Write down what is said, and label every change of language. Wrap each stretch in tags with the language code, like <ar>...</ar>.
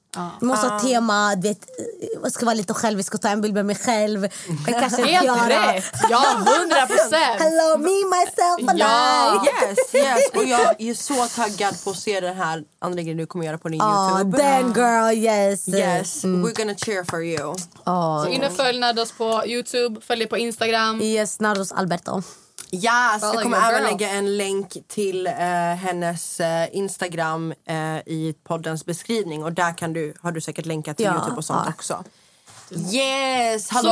<sv>Ah. Måste ha tema, vet, jag ska vara lite själv, jag ska ta en bild med mig själv. Jag kanske helt rätt. Ja, 100%.</sv> <en>Hello me myself and</en> <sv>ja.</sv> <en>I. Yes, yes.</en> <sv>Och jag är så taggad på att se den här andra grejen du kommer göra på din YouTube.</sv> <en>Damn girl, yes. Yes, we're gonna cheer for you.</en> <sv>Så in och följ Nardos på YouTube, följ på Instagram.</sv> <en>Yes, Nardos Alberto.</en> <sv>Ja, yes, jag kommer även lägga en länk till hennes Instagram i poddens beskrivning. Och där kan du, har du säkert länkat till YouTube och sånt också. Yes, hallå.</sv>